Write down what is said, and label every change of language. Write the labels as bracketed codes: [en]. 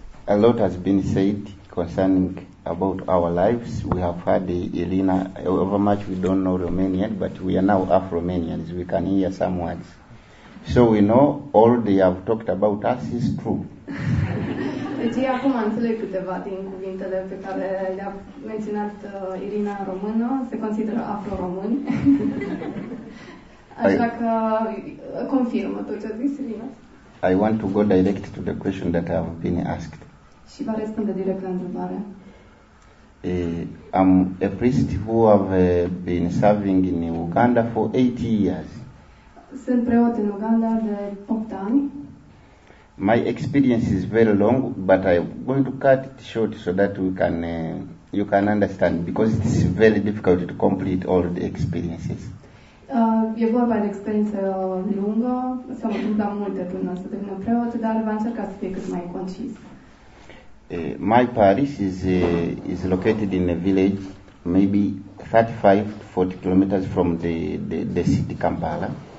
[en] A lot has been said concerning about our lives. We have had Irina, over much we don't know Romanian, but we are now Afro-Romanians. We can hear some words. So we know all they have talked about us is true. [ro] Deci acum înțeleg câteva din cuvintele pe care le-a menționat Irina română, se consideră Afro-Român. Așa că confirmă tot ce a zis Irina. [en] I want to go direct to the question that I have been asked. [ro] Și va răspunde direct la întrebare. [en] I'm a priest who have been serving in Uganda for 8 years. [ro] Sunt preot în Uganda de 8 ani. [en] My experience is very long, but I'm going to cut it short so that we can you can understand, because it's very difficult to complete all the experiences. [ro] E vorba de experiență lungă, s-au întâmplat multe până să devină preot, dar va încerca să fie cât mai concis. [en] My parish is located in a village maybe 35 to 40 kilometers from the city Kampala.